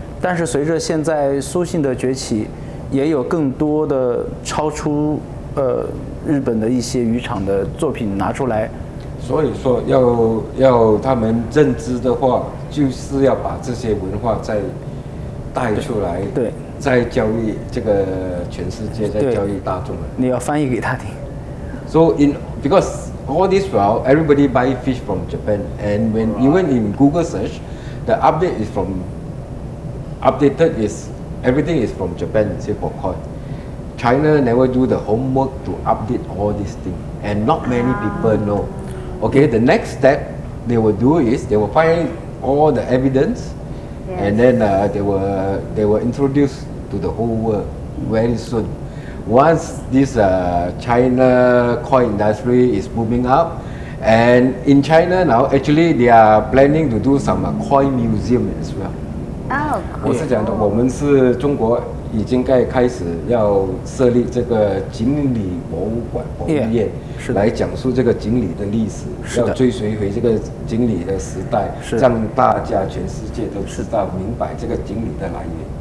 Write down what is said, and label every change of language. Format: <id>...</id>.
<zh>但是随着现在苏姓的崛起，也有更多的超出日本的一些渔场的作品拿出来。所以说要他们认知的话，就是要把这些文化再带出来，对，再教育这个全世界，再教育大众。你要翻译给他听。</zh> <en>So in becauseAll this while, everybody buy fish from Japan, and when even in Google search, the updated is everything is from Japan, say for koi. China never do the homework to update all these things, and not many people know. Okay, the next step they will do is they will find all the evidence, and then they will introduce to the whole world very soon. Once this China koi industry is booming up, and in China now, actually they are planning to do some koi museum as well. Oh, cool.</en> <zh>我是讲的，我们是中国已经开始要设立这个锦鲤博物馆、博物院，来讲述这个锦鲤的历史，要追随回这个锦鲤的时代，让大家全世界都知道、明白这个锦鲤的来源。</zh>